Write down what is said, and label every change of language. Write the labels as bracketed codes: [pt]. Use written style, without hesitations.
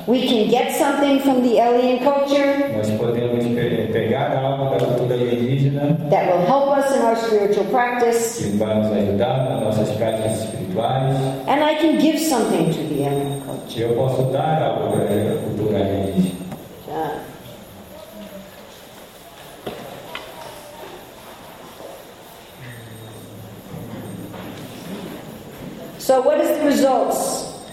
[en] We can get something from the alien culture. [pt] Nós podemos pegar algo da cultura alienígena. [en] That will help us in our spiritual practice. [pt] Que vai nos ajudar nas nossas práticas espirituais. [en] And I can give something to the alien culture. [pt] Eu posso dar algo da cultura alienígena. [en] So what is the results?